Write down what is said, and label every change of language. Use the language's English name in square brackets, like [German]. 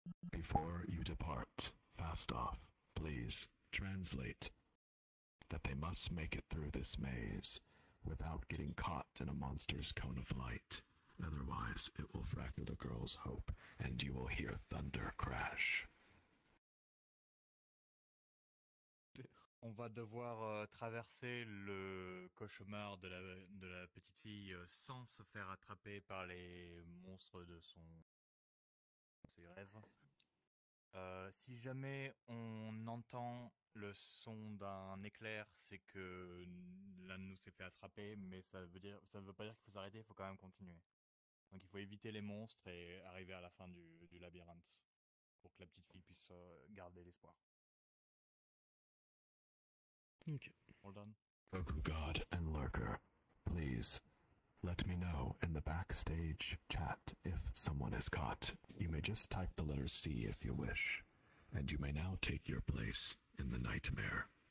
[English] Before you depart, fast off, please translate that they must make it through this maze without getting caught in a monster's cone of light. Otherwise, it will fracture the girl's hope, and you will hear thunder crash. [French] On va devoir traverser le cauchemar de la petite fille sans se faire attraper par les monstres de ses rêves. Si jamais on entend le son d'un éclair, c'est que l'un de nous s'est fait attraper, mais ça ne veut pas dire qu'il faut s'arrêter, il faut quand même continuer. Donc il faut éviter les monstres et arriver à la fin du labyrinthe pour que la petite fille puisse garder l'espoir. [English] Ok. Hold on. Goku God and Lurker, please let me know in the backstage chat if someone is caught. You may just type the letter C if you wish, and you may now take your place in the nightmare.